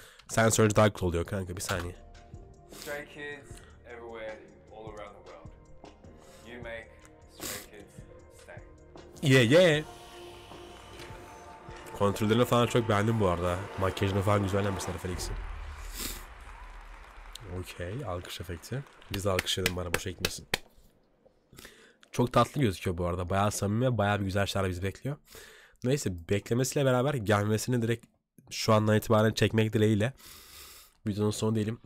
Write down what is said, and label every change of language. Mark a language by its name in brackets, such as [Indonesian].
[Turkish] Sen Surge Dark oluyor kanka, bir saniye. [English] Stray kids everywhere, all around the world. You make stray kids stay. Yeah, yeah. [Turkish] Kontrollerini falan çok beğendim bu arada. Makyajını falan güzellemişler Felix'in. Okay, alkış efekti. Biz de alkış edelim, bana boşa gitmesin. Çok tatlı gözüküyor bu arada. Bayağı samimi ve bayağı bir güzel şeyler bizi bekliyor. Neyse, beklemesiyle beraber gelmesini direkt şu andan itibaren çekmek dileğiyle videonun sonu diyelim.